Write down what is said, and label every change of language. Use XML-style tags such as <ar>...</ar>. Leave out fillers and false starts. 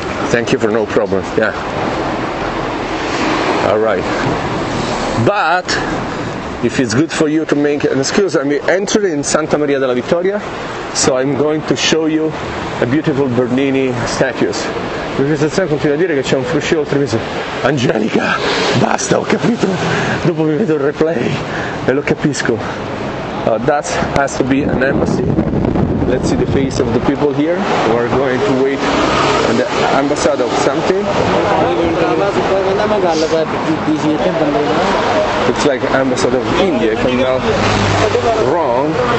<en>Thank you for no problem, yeah. All right. But if it's good for you to make an excuse, I'm entering in Santa Maria della Vittoria, so I'm going to show you a beautiful Bernini statues.</en> <it>Professor Sam continua a dire che c'è un fruscio oltre mese. Angelica, basta, ho capito. Dopo mi vedo il replay e lo capisco.</it> <en>That has to be an embassy. Let's see the face of the people here. We are going to wait on the ambassador of something. Looks like ambassador of India, if I'm not wrong.</en>